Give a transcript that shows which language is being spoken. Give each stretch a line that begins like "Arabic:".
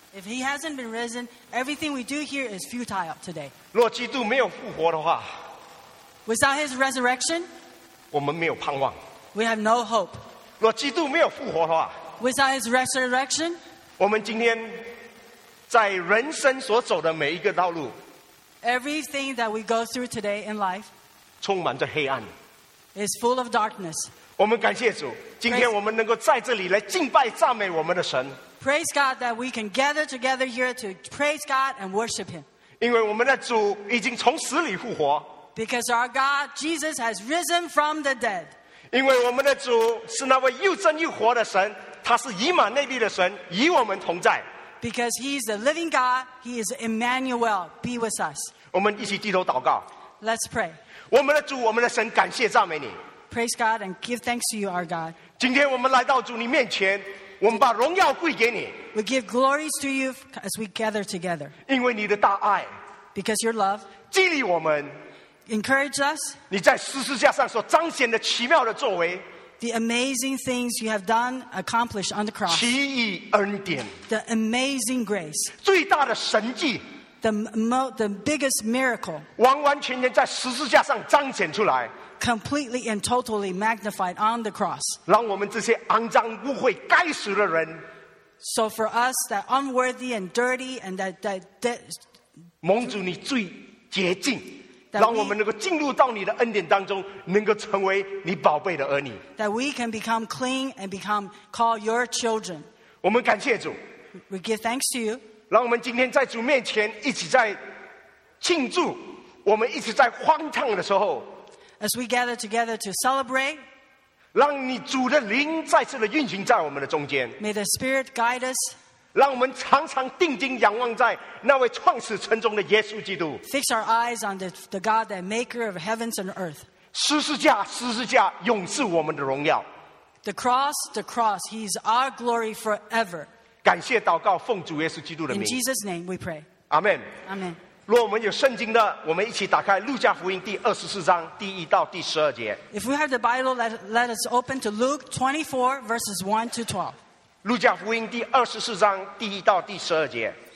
English: If he hasn't been risen, everything we do here is futile today.
Chinese: 若基督没有复活的话，
English: Without his resurrection,
Chinese: 我们没有盼望。
English: We have no hope.
Chinese: 若基督没有复活的话，
English: Without his resurrection,
Chinese: 我们今天在人生所走的每一个道路，
English: Everything that we go through today in life,
Chinese: 充满着黑暗。
English: Is full of darkness.
Chinese: 我们感谢主，今天我们能够在这里来敬拜赞美我们的神。
English: Praise God that we can gather together here to praise God and worship Him.
Chinese: 因为我们的主已经从死里复活。
English: Because our God Jesus has risen from the dead.
Chinese: 因为我们的主是那位又真又活的神，他是以马内利的神，与我们同在。
English: Because He is the living God, He is Emmanuel, be with us.
Chinese: 我们一起低头祷告。
English: Let's pray.
Chinese: 我们的主，我们的神，感谢赞美你。
English: Praise God and give thanks to you, our God.
Chinese: 今天我们来到主你面前，我们把荣耀归给你。
English: We give glories to you as we gather together.
Chinese: 因为你的大爱。
English: Because your love.
Chinese: 激励我们。
English: Encourage us.
Chinese: 你在十字架上所彰显的奇妙的作为。
English: The amazing things you have done, accomplished on the cross.
Chinese: 奇异恩典。
English: The amazing grace.
Chinese: 最大的神迹。
English: The biggest miracle,
Chinese: 完完全全在十字架上彰显出来，
English: completely and totally magnified on the cross,
Chinese: 让我们这些肮脏污秽该死的人，
English: so for us that unworthy and dirty and that
Chinese: 蒙主你最洁净， 让我们能够进入到你的恩典当中，能够成为你宝贝的儿女，
English: that we can become clean and become called your children.
Chinese: 我们感谢主，
English: we give thanks to you.
Chinese: 让我们今天在主面前一起在庆祝，我们一起在欢唱的时候，
English: As we gather together to celebrate,
Chinese: 让你主的灵再次的运行在我们的中间。
English: May the Spirit guide us.
Chinese: 让我们常常定睛仰望在那位创始成终的耶稣基督。
English: Fix our eyes on the God, the Maker of heavens and earth.
Chinese: 十字架，十字架，永是我们的荣耀。
English: The cross, the cross, He's our glory forever.
Chinese: 感谢祷告，奉主耶稣基督的名。
English: In Jesus' name we pray. Amen. Amen.
Chinese: 若我们有圣经的，我们一起打开路加福音第二十四章第一到第十二节。
English: If we have the Bible, let us open to Luke 24 verses 1 to 12.
Chinese: 路加福音第二十四章第一到第十二节。